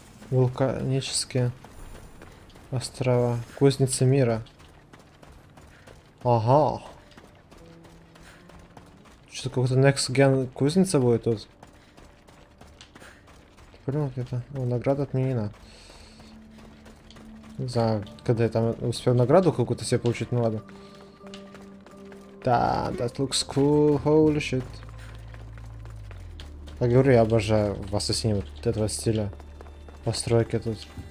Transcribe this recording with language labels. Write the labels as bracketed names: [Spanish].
[Russian] Вулканические острова. Кузница мира. Ага. Что-то какой-то next gen кузница будет тут. Блин, где-то. О, награда отменена. Не знаю, когда я там успел награду какую-то себе получить, ну ладно. [English] Да, that looks cool, holy shit. [Russian] Как говорю, я обожаю в Ассасине вот этого стиля. Постройки тут.